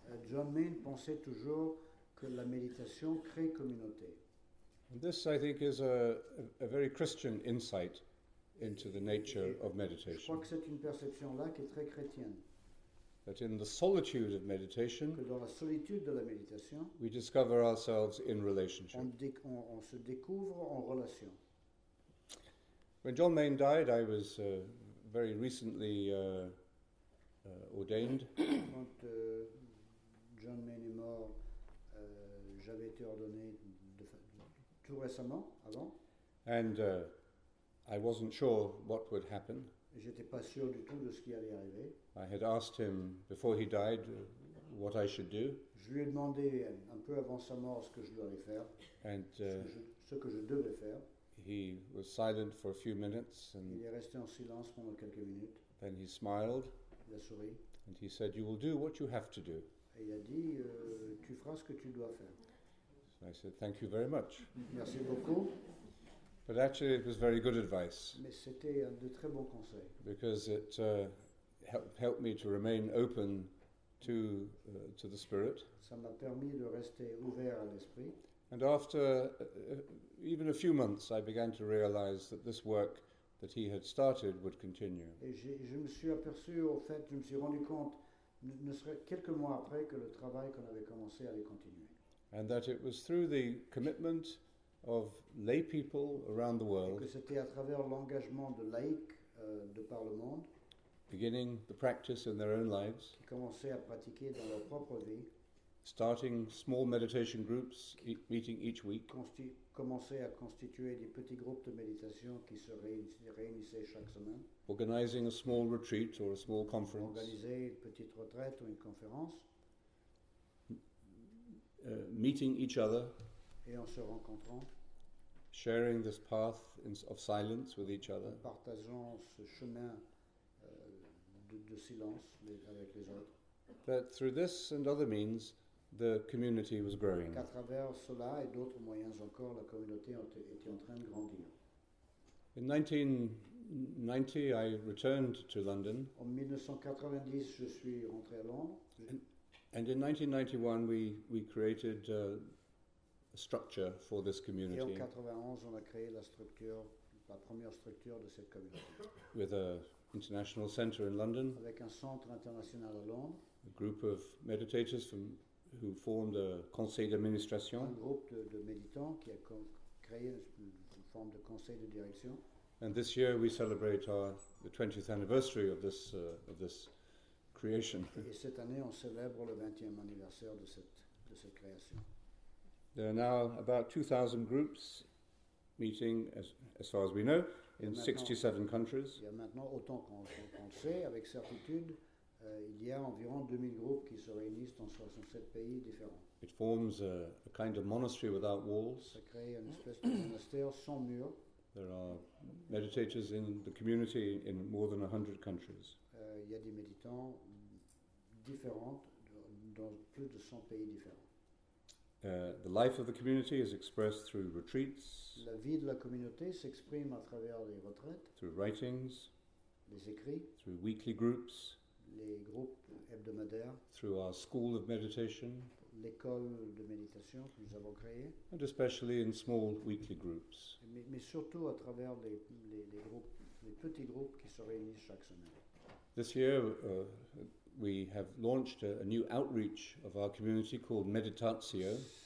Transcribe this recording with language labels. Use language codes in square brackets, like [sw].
[fr] John Mayne pensait toujours que la méditation crée communauté. [en] And this, I think, is a very Christian insight into the nature of meditation. [fr] Je crois que c'est une perception-là qui est très chrétienne. [en] That in the solitude of meditation, [fr] que dans la solitude de la méditation, [en] we discover ourselves in relationship. [fr] On se découvre en relation. [en] When John Mayne died, I was very recently ordained. [fr] Quand John Mayne est mort, j'avais été ordonné tout récemment, avant. [en] And I wasn't sure what would happen. [fr] J'étais pas sûr du tout de ce qui allait arriver. [en] I had asked him before he died what I should do. [fr] Je lui ai demandé un peu avant sa mort ce que je devais faire. [en] And [fr] ce que je devais faire. [en] He was silent for a few minutes, and [fr] il est resté en silence pendant quelques minutes. [en] Then he smiled. [fr] Il a souri. [en] And he said, "You will do what you have to do." [fr] Et il a dit, tu feras ce que tu dois faire. [en] So I said, "Thank you very much." [fr] Merci beaucoup. [en] But actually, it was very good advice. [fr] Mais c'était un de très bons conseils. [en] Because it helped me to remain open to the Spirit. [fr] Ça m'a permis de rester ouvert à l'esprit. [en] And after even a few months, I began to realize that this work that he had started would continue. [fr] Et je me suis aperçu, au fait, je me suis rendu compte, ne serait quelques mois après que le travail qu'on avait commencé allait continuer. [en] And that it was through the commitment of lay people around the world. [fr] Et que c'était à travers l'engagement de laïcs de par le monde. [en] Beginning the practice in their own lives. [fr] Qui commençaient à pratiquer dans leur propre vie. [en] Starting small meditation groups, meeting each week. [fr] Commencer à constituer des petits groupes de méditation qui se réunissaient chaque semaine. [en] Organizing a small retreat or a small conference. [fr] Organiser une petite retraite ou une conférence. [en] Meeting each other. [fr] Et en se rencontrant. [en] Sharing this path of silence with each other. [fr] Partageant ce chemin de silence avec les autres. [en] That through this and other means, the community was growing. [fr] À travers cela et d'autres moyens encore, la communauté était en train de grandir. [en] In 1990, I returned to London. [fr] En 1990, je suis rentré à Londres. [en] And in 1991, we created a structure for this community. [fr] Et en 91, on a créé la première structure de cette communauté. [en] With an international center in London. [fr] Avec un centre international à Londres. [en] A group of meditators who formed a [fr] conseil d'administration. Un groupe de méditants qui a créé une forme de conseil de direction. [en] And this year we celebrate the 20th anniversary of this creation. [fr] Et cette année on célèbre le 20e anniversaire de cette création. [en] There are now about 2,000 groups meeting, as far as we know, in 67 countries. [fr] Il y a maintenant autant qu'on le sait avec certitude. Il y a environ 2000 groupes qui se réunissent dans 67 pays différents. [en] It forms a kind of monastery without walls. [fr] Ça crée une espèce de monastère sans mur. [en] There are meditators in the community in more than 100 countries. [fr] Il y a des méditants différents dans plus de 100 pays différents. [en] The life of the community is expressed through retreats. [fr] La vie de la communauté s'exprime à travers les retraites. [en] Through writings. [fr] Les écrits. [en] Through weekly groups. [fr] Les groupes hebdomadaires, [en] through our school of meditation, [fr] l'école de méditation que nous avons créée, [en] and especially in small weekly groups. [fr] Mais surtout à travers les groupes les petits groupes qui se réunissent chaque semaine. [en] This year, we have launched a new outreach of our community called Meditatio.